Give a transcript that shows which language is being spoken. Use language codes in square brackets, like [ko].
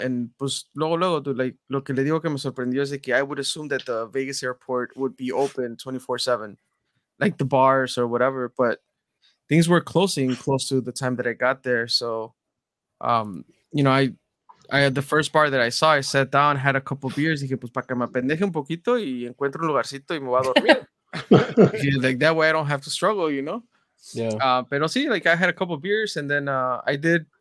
[en] And [es] pues luego, [en] dude, like, [es] lo que le digo que me sorprendió es de que [en] I would assume that the Vegas airport would be open 24/7, like the bars or whatever, but things were closing close to the time that I got there. So, you know, I had the first bar that I saw. I sat down, had a couple beers. [es] Dije, pues, para que me apendeje un poquito y encuentro un lugarcito y me voy a dormir. [en] Like, that way I don't have to struggle, you know? Yeah. [es] Pero sí, [en] like, I had a couple beers and then I did.